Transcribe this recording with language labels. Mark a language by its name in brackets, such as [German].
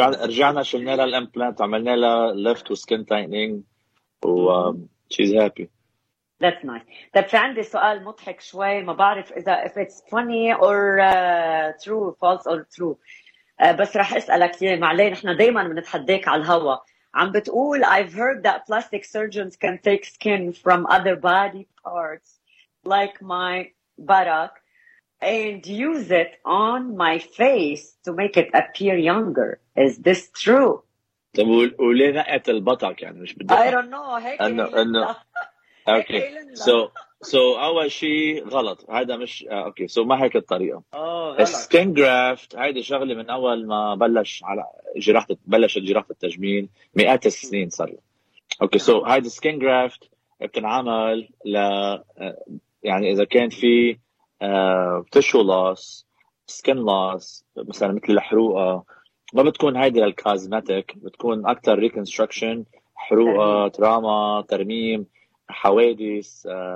[Arabic] رجعنا شلنا لها الامبلانت، عملنا لها ليفت وسكن تايتنينج و [English] She's happy. That's nice. [Arabic] طيب في عندي سؤال مضحك شوي، ما بعرف إذا [English] if it's funny or true, [Arabic] false or true. بس رح أسألك يا معلي، نحن دايما بنتحداك على الهوا. عم بتقول [English] I've heard that plastic surgeons can take skin from other body parts like my buttock and use it on my face to make it appear younger. Is this true? [Arabic] طيب وليه نقعت البطاك يعني مش بدي. [English] I don't know. [Arabic] هيك [English] Okay. [Arabic] So أول شيء غلط، هذا مش okay. So ما هيك الطريقة. Skin graft هيدا شغلة من أول ما بلش على جراحة، بلشت جراحة التجميل مئات السنين صار. [English] Okay. [Arabic] So هيدا skin graft بتنعمل ل يعني إذا كان في tissue loss, skin loss مثلا مثل الحروقة، ما بتكون هيدا الكازماتيك، بتكون أكتر reconstruction، حروقة، تراما، ترميم، حوادث.